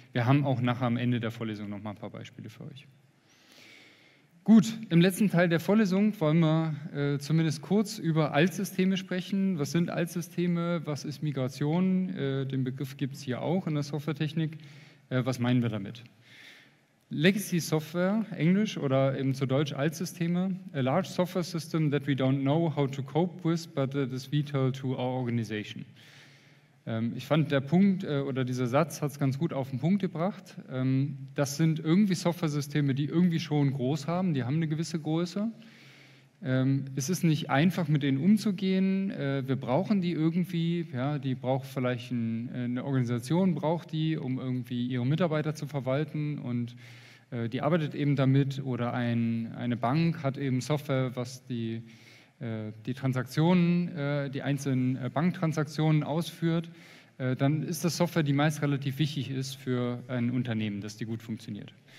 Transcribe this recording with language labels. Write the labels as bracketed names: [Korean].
[German] Wir haben auch nachher am Ende der Vorlesung noch mal ein paar Beispiele für euch. Gut, im letzten Teil der Vorlesung wollen wir zumindest kurz über Altsysteme sprechen. Was sind Altsysteme? Was ist Migration? Den Begriff gibt es hier auch in der Softwaretechnik. Was meinen wir damit? Legacy Software, Englisch oder eben zu Deutsch Altsysteme. [English] A large software system that we don't know how to cope with, but that is vital to our organization. [German] Ich fand, der Punkt oder dieser Satz hat es ganz gut auf den Punkt gebracht. Das sind irgendwie Software-Systeme, die irgendwie schon groß haben, die haben eine gewisse Größe. Es ist nicht einfach, mit denen umzugehen. Wir brauchen die irgendwie, ja, die braucht vielleicht eine Organisation, braucht die, um irgendwie ihre Mitarbeiter zu verwalten und die arbeitet eben damit oder eine Bank hat eben Software, was die Transaktionen, die einzelnen Banktransaktionen ausführt, dann ist das Software, die meist relativ wichtig ist für ein Unternehmen, dass die gut funktioniert.